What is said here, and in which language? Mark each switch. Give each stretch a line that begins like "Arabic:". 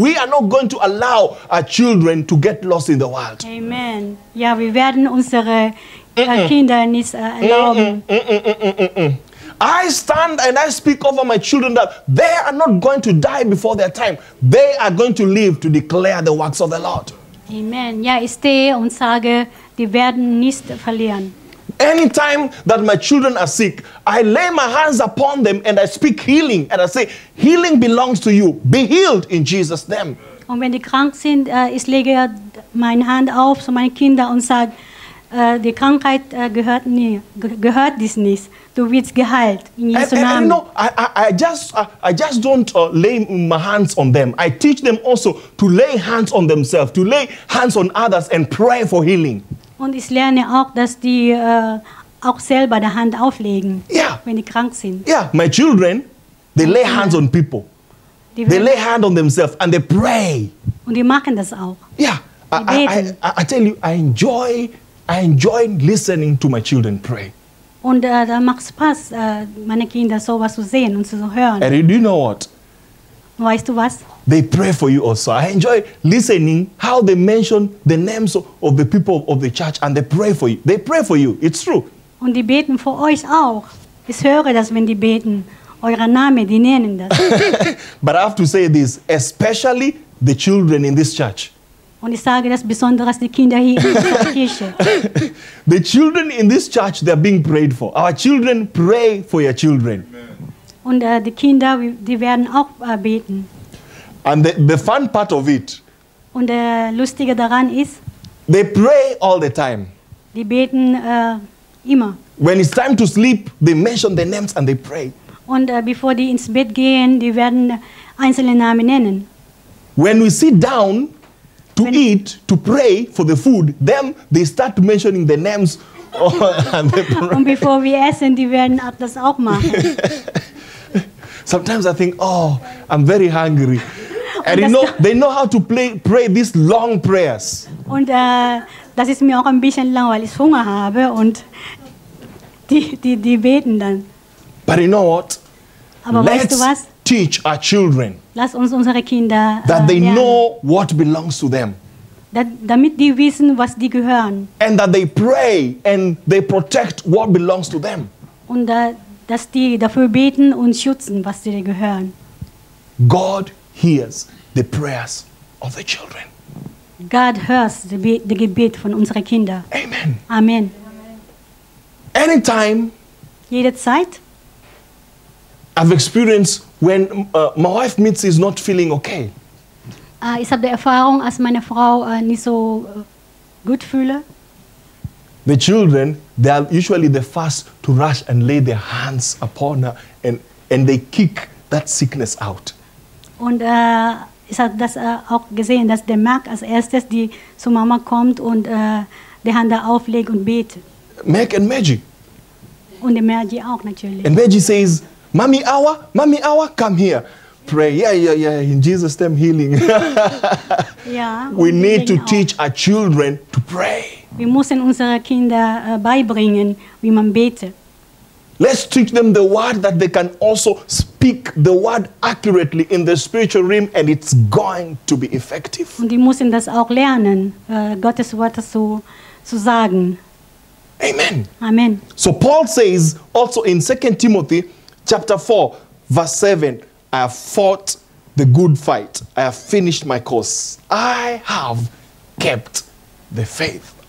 English: We are not going to allow our children to get lost in the world.
German: Amen. Ja, wir werden unsere Kinder nicht erlauben.
English: I stand and I speak over my children that they are not going to die before their time. They are going to live to declare the works of the Lord. Amen.
German: Ja, ich stehe und sage, die werden nicht verlieren.
English: Anytime that my children are sick, I lay my hands upon them and I speak healing and I say, healing belongs to you. Be healed in Jesus' name.
German: Und wenn die krank sind, ich lege meine Hand auf zu meinen Kindern und sage, die Krankheit gehört dies nicht. Du wirst geheilt in Jesu Namen.
English: And, you know, I just don't lay my hands on them. I teach them also to lay hands on themselves, to lay hands on others and pray for healing.
German: Und ich lerne auch, dass die auch selber die Hand auflegen, wenn die krank sind.
English: Yeah, my children, they lay hands on people. They lay hands on themselves and they pray.
German: Und die machen das auch.
English: Yeah, I tell you, I enjoy listening to my children pray.
German: Und da macht Spaß, meine Kinder sowas zu sehen und zu hören.
English: And do you know what?
German: Weißt du was?
English: They pray for you also. I enjoy listening how they mention the names of the people of the church and they pray for you. They pray for you. It's true.
German: Und die beten für euch auch. Ich höre das, wenn die beten. Eure Name, die nennen das.
English: But I have to say this, especially the children in this church.
German: Und ich sage das besonders die Kinder hier in der Kirche.
English: The children in this church, they are being prayed for. Our children pray for your children.
German: Amen. Und die Kinder, die werden auch beten.
English: And the fun part of it.
German: Und der lustige daran ist.
English: They pray all the time.
German: Die beten immer.
English: When it's time to sleep, they mention the names and they pray.
German: Und bevor die ins Bett gehen, die werden einzelne Namen nennen.
English: When we sit down to eat, to pray for the food, then they start mentioning the names and they pray.
German: Und bevor wir essen, die werden das auch machen.
English: Sometimes I think, oh, I'm very hungry. And you know, they know how to pray these long prayers.
German: Und das ist mir auch ein bisschen lang, weil ich Hunger habe und die beten dann.
English: But you know what?
German: Aber weißt du was?
English: Teach our children.
German: Lass uns unsere Kinder
English: that they know what belongs to them.
German: Damit die wissen, was die gehören.
English: And that they pray and they protect what belongs to them.
German: Und dass die dafür beten und schützen, was sie gehören.
English: God hears the prayers of the children. God hears the
German: Gebet von unsere Kinder.
English: Amen. Amen. Anytime.
German: Jede Zeit.
English: I've experienced when my wife meets is not feeling okay.
German: Ich habe die Erfahrung, als meine Frau nicht so gut fühle.
English: The children, they are usually the first to rush and lay their hands upon her and they kick that sickness out.
German: Und ich habe das auch gesehen, dass der Mark als erstes die zu Mama kommt und die Hand auflegt und betet.
English: Mark and Maggie.
German: Und die Maggie auch natürlich.
English: And Maggie says, Mommy Awa, Mommy Awa, come here. Pray, yeah, in Jesus' name, healing. Yeah, we need to teach our children to pray.
German: Wir müssen unsere Kinder beibringen, wie man betet.
English: Let's teach them the word that they can also speak the word accurately in the spiritual realm, and it's going to be effective.
German: Und die müssen das auch lernen, Gottes Wort zu sagen.
English: Amen. Amen. So Paul says also in 2 Timothy chapter 4, verse 7, I have fought the good fight. I have finished my course. I have kept the faith.